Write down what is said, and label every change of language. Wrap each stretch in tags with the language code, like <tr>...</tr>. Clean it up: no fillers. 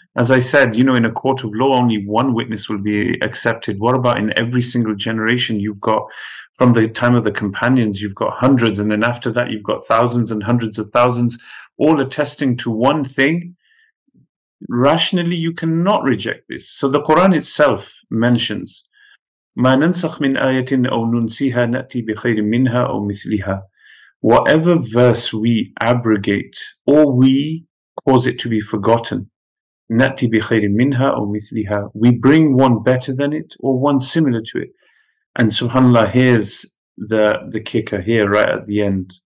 <en>As I said, you know, in a court of law, only one witness will be accepted. What about in every single generation? You've got, from the time of the companions, you've got hundreds, and then after that, you've got thousands and hundreds of thousands, all attesting to one thing. Rationally, you cannot reject this. So the Quran itself mentions,</en> <ar>مَا نَنْسَخْ مِنْ آيَةٍ أَوْ نُنْسِيهَا نَأْتِي بِخَيْرٍ مِنْهَا أَوْ مِثْلِهَا.</ar> <en>Whatever verse we abrogate or we cause it to be forgotten,</en> <ar>نَأْتِ بِخَيْرٍ مِنْهَا أَوْ مِثْلِهَا,</ar> <en>we bring one better than it or one similar to it. And subhanAllah, here's the kicker here right at the end.</en>